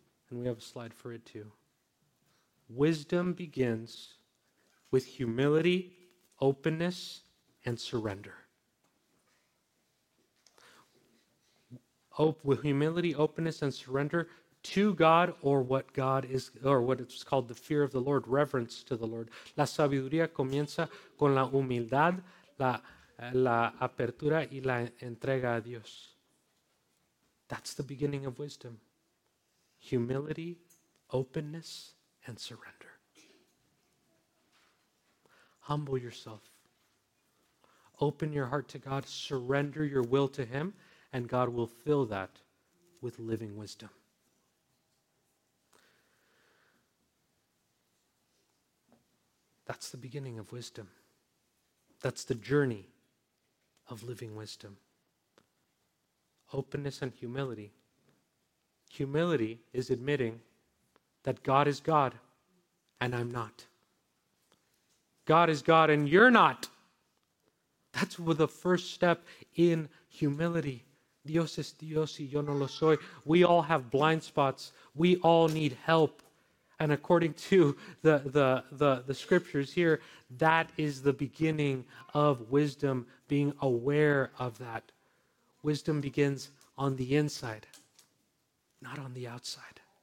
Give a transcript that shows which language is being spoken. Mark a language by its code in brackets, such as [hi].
[en] And we have a slide for it too. Wisdom begins with humility, openness, and surrender. With humility, openness, and surrender to God, or what God is, or what it's called, the fear of the Lord, reverence to the Lord. [es] La sabiduría comienza con la humildad, la apertura y la entrega a Dios. [en] That's the beginning of wisdom. Humility, openness, and surrender. Humble yourself. Open your heart to God, surrender your will to Him, and God will fill that with living wisdom. That's the beginning of wisdom. That's the journey of living wisdom. Openness and humility. Humility is admitting that God is God and I'm not. God is God and you're not. That's the first step in humility. [es] Dios es Dios y yo no lo soy. [en] We all have blind spots. We all need help. And according to the scriptures here, that is the beginning of wisdom, being aware of that. Wisdom begins on the inside, not on the outside.